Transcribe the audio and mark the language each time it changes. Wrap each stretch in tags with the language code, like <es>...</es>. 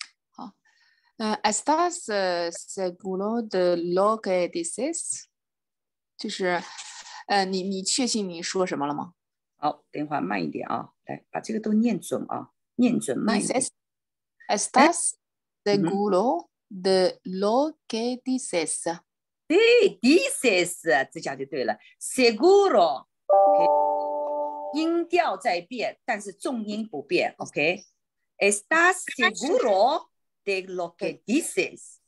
<zh>好</zh> <es>，estás seguro de lo que dices？</es> <zh>就是，你确信你说什么了吗？好，等会儿慢一点啊，来把这个都念准啊，念准慢一点。</zh> <es>Estás seguro de lo que dices？</es> <zh>对 ，dices 这下就对了 ，seguro。Okay。音调在变，但是重音不变。</zh> <es>OK， ¿Estás seguro de lo que dices?</es>